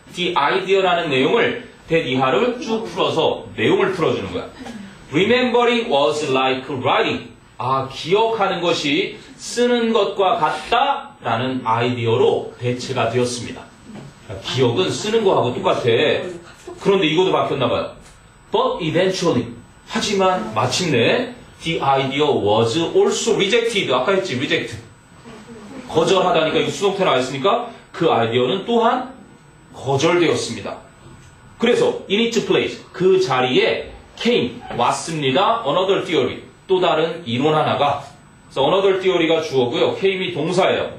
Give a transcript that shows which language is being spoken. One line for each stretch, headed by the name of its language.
Korean: The idea라는 내용을 that 이하를 쭉 풀어서 내용을 풀어주는 거야.
English: Remembering was like writing.
Korean: 아, 기억하는 것이 쓰는 것과 같다? 라는 아이디어로 대체가 되었습니다. 기억은 쓰는 거하고 똑같아. 그런데 이것도 바뀌었나봐요.
English: But eventually,
Korean: 하지만 마침내
English: the idea was also rejected.
Korean: 아까 했지,
English: reject.
Korean: 거절하다니까 이 수동태를 안 쓰니까 그 아이디어는 또한 거절되었습니다. 그래서
English: in its place
Korean: 그 자리에 came 왔습니다.
English: Another theory
Korean: 또 다른 이론 하나가. 그래서 another theory가 주어고요. came이 동사예요.